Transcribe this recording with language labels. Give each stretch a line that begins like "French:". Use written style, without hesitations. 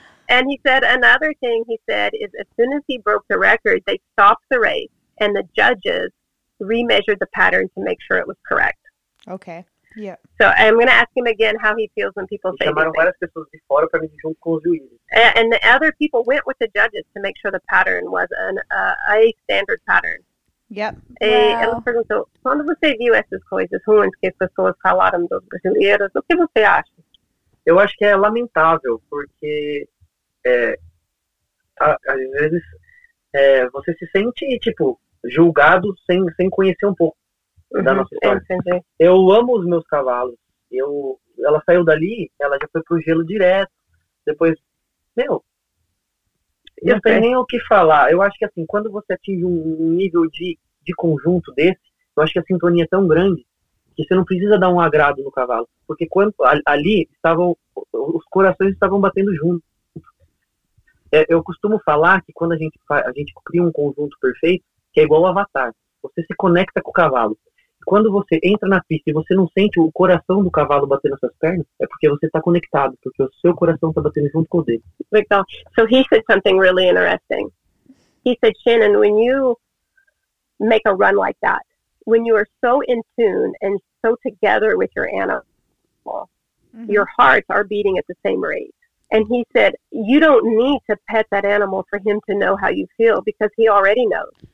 English: And he said another thing he said is as soon as he broke the record, they stopped the race and the judges remeasured the pattern to make sure it was correct. Okay. Yeah. So I'm going to ask him again how he feels when people say and the other people went with the judges to make sure the pattern was an a standard pattern. Yep.
Portuguese: Quando você viu essas coisas ruins que as pessoas falaram dos brasileiros, o que você acha? Eu acho que é lamentável, porque às vezes você se sente, tipo, julgado sem conhecer um pouco da nossa história. Eu amo os meus cavalos. Ela saiu dali, ela já foi pro gelo direto. Depois, eu não tenho nem o que falar. Eu acho que, assim, quando você atinge um nível de conjunto desse, eu acho que a sintonia é tão grande que você não precisa dar um agrado no cavalo. Porque ali estavam os corações estavam batendo junto. Eu costumo falar que quando a gente cria um conjunto perfeito, que é igual o Avatar. Você se conecta com o cavalo. Quando você entra na pista e você não sente o coração do cavalo batendo nas suas pernas, é porque você está conectado, porque o seu coração está batendo junto com o dele. Legal.
English: So he said something really interesting. He said, Shannon, when you make a run like that, when you are so in tune and so together with your animal, your hearts are beating at the same rate. And he said, you don't need to pet that animal for him to know how you feel because he already knows.